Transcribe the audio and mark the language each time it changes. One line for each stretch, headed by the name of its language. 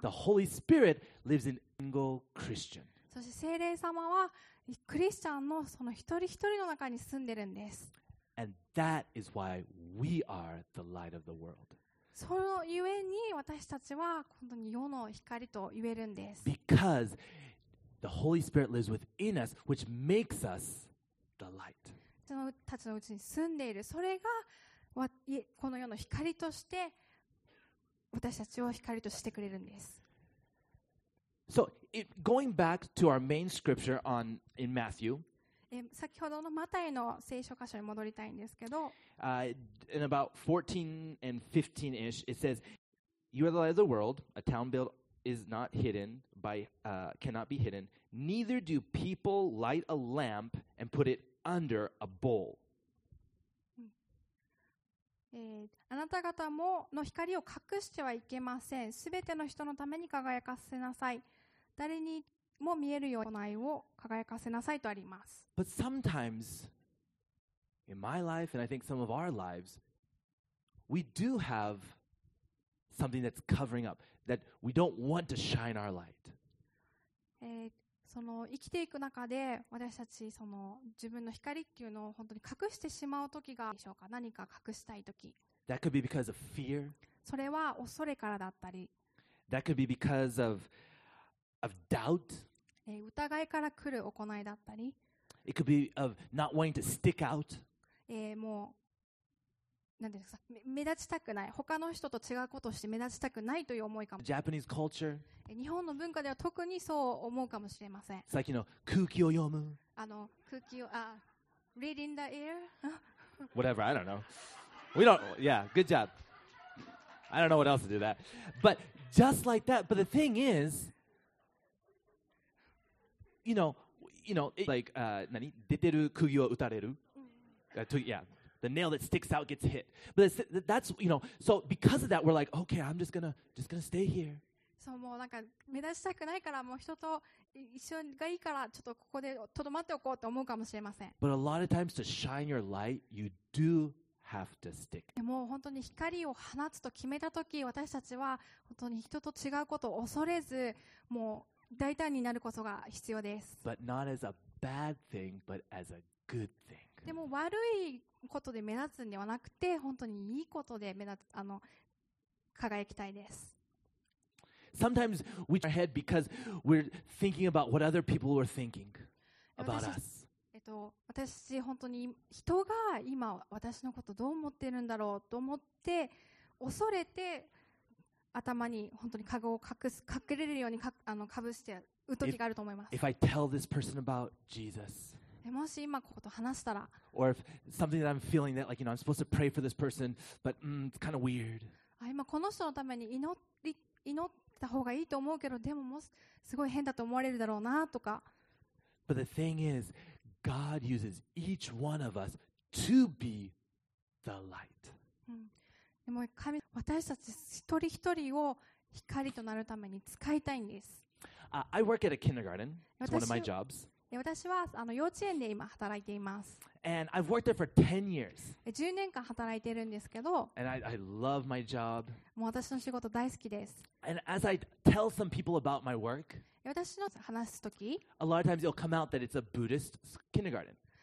English: The Holy Spirit lives in single Christian.
Japanese: そして聖霊様はクリスチャンのその一人一人の中に住んでるんです。
English: And that is why we are the light of the world.
Japanese: そのゆえに私たちは本当に世の光と言えるんです。
English: Because the Holy Spirit lives within us, which makes us the light.
Japanese: 私たちのうちに住んでいる、それがこの世の光として私たちを光としてくれるんです。
English: So, going back to our main scripture on in Matthew.
Japanese: 先ほどのマタイの聖書箇所に戻りたいんですけど、
English: in about 14 and 15-ish, it says, You are the light of the world. A town built is not hidden by, cannot be hidden. Neither do people light a lamp and put it under a bowl.
Japanese: あなた方もの光を隠してはいけません。すべての人のために輝かせなさい。誰にも見えるような愛を輝かせなさいとあります。
English: But sometimes in my life and I think some of our lives we do have something that's covering up that we don't want to shine our light.
Japanese: その生きていく中で私たちその自分の光っていうのを本当に隠してしまう時がでしょうか。何か隠したい時。
English: That could be because of fear.
Japanese: それは恐れからだったり。
English: That could be because of doubt.
Japanese: 疑いから来る行いだったり、
English: It could be of not wanting to stick out.
Japanese: もう何ですか、目立ちたくない、他の人と違うことをして目立ちたくないという思いかも。
English: Japanese culture.
Japanese: 日本の文化では特にそう思うかもしれません。さっきの空気を読む。空気を
English: reading the air. Whatever, I don't know. We don't. Yeah, good job. I don't know what else to do that. But just like that. But the thing is. You know, it, like,
Japanese: 何出てる釘を打たれる、
English: the nail that sticks out gets hit. But that's, you know, so because of that, we're like, okay, I'm just gonna stay here.
Japanese: そう、もうなんか目立ちたくないから、もう人と一緒がいいから、ちょっとここでとどまっておこうと思うかもしれません。
English: But a lot of times to shine your light, you do have to stick.
Japanese: もう本当に光を放つと決めたとき、私たちは本当に人と違うことを恐れず、もう大胆になることが必要です。
English: But not as a bad thing, but as a good thing.
Japanese: でも悪いことで目立つんではなくて、本当にいいことで目立つ、輝きたいです。
English: Sometimes we turn our head because we're thinking about what other people were thinking about us.
Japanese: 私本当に人が今私のことどう思ってるんだろうと思って恐れて。頭に本当に籠を隠れるようにかぶしてうときがあると思います。
English: If I tell this person about Jesus,
Japanese: もし今こと話したら、
English: or if something that I'm feeling that like you know I'm supposed to pray for this person, but it's kind of weird.
Japanese: 今この人のために祈った方がいいと思うけど、でももうすごい変だと思われるだろうなとか。
English: But the thing is, God uses each one of us to be the light.
Japanese: でも神、私たち一人一人を光となるために使いたいんです。
English: I work at a kindergarten. It's one of my jobs.
Japanese: 私はあの幼稚園で今働いています。
English: And I've worked there for 10 years.
Japanese: 10年間働いてるんですけど。
English: And I love my job.
Japanese: もう私の仕事大好きです。
English: And as I tell some people about my work,
Japanese: 私の話すとき、
English: a lot of times it'll come out that it's a Buddhist kindergarten.